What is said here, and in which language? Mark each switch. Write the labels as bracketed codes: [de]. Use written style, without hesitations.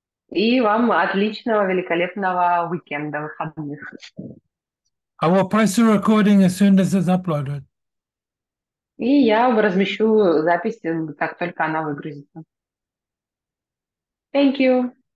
[ru] И вам отличного, великолепного уикенда, выходных. [en] I will post the recording as soon as it's uploaded. [ru] И я размещу запись, как только она выгрузится. [en] Thank you.